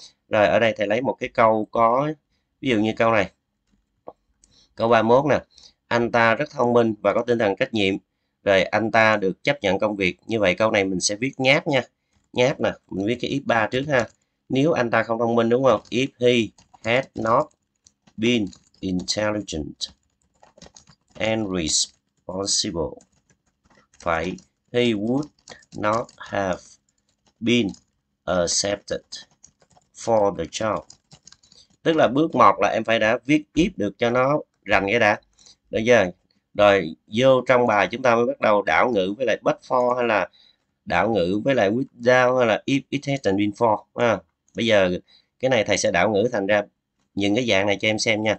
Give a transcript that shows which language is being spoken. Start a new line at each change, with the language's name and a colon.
Vietnamese: Rồi ở đây thầy lấy một cái câu có ví dụ như câu này. Câu 31 nè. Anh ta rất thông minh và có tinh thần trách nhiệm. Rồi anh ta được chấp nhận công việc. Như vậy câu này mình sẽ viết nháp nha. Nháp nè, mình viết cái if 3 trước ha. Nếu anh ta không thông minh đúng không?
English: If he had not been intelligent and responsible,
Vietnamese: phải
English: he would not have been accepted for the job.
Vietnamese: Tức là bước 1 là em phải đã viết if được cho nó rành cái đã. Được chưa? Rồi vô trong bài chúng ta mới bắt đầu đảo ngữ với lại
English: but for
Vietnamese: hay là đảo ngữ với lại
English: without
Vietnamese: hay là
English: if it hadn't been for.
Vietnamese: À, bây giờ cái này thầy sẽ đảo ngữ thành ra những cái dạng này cho em xem nha.